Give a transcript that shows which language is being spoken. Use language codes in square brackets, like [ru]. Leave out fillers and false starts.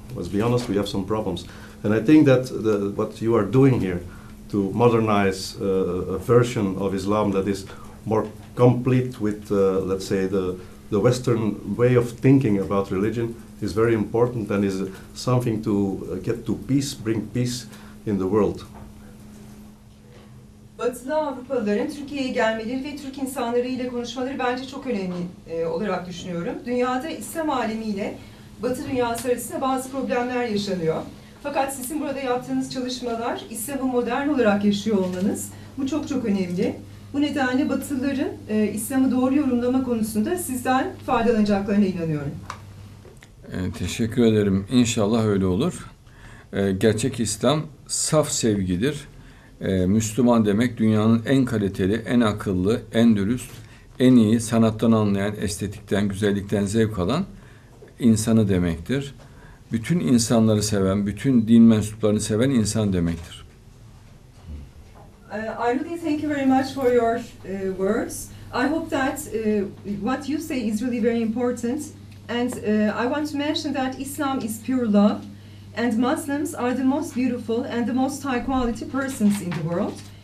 [en] Let's be honest, we have some problems. And I think that what you are doing here to modernize a version of Islam that is more complete with, let's say, the Western way of thinking about religion is very important and is something to get to peace, bring peace in the world. [tr] Batılı Avrupalıların Türkiye'ye gelmeleri ve Türk insanları ile konuşmaları bence çok önemli olarak düşünüyorum. Dünyada İslam alemiyle Batı dünyası arasında bazı problemler yaşanıyor. Fakat sizin burada yaptığınız çalışmalar, İslam'ı modern olarak yaşıyor olmanız, bu çok çok önemli. Bu nedenle Batılıların İslam'ı doğru yorumlama konusunda sizden faydalanacaklarına inanıyorum. Teşekkür ederim. İnşallah öyle olur. Gerçek İslam saf sevgidir. Müslüman demek dünyanın en kaliteli, en akıllı, en dürüst, en iyi, sanattan anlayan, estetikten, güzellikten zevk alan insanı demektir. Bütün insanları seven, bütün din mensuplarını seven insan demektir. [en] I really thank you very much for your words. I hope that what you say is really very important. And I want to mention that Islam is pure love. And Muslims are the most beautiful and the most high quality persons in the world.